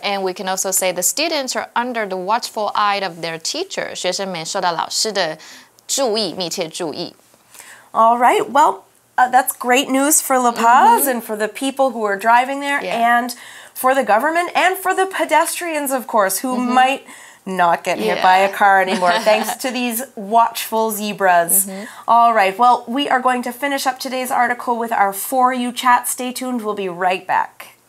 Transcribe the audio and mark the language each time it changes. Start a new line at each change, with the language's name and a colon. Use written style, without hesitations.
English: And we can also say the students are under the watchful eye of their teacher.
Chinese: 学生们受到老师的注意密切注意
English: All right, well,、that's great news for La Paz、mm-hmm. and for the people who are driving there、 yeah. and... For the government and for the pedestrians, of course, who、mm-hmm. might not get、 yeah. hit by a car anymore, thanks to these watchful zebras.、 Mm-hmm. All right, well, we are going to finish up today's article with our For You chat. Stay tuned, we'll be right back.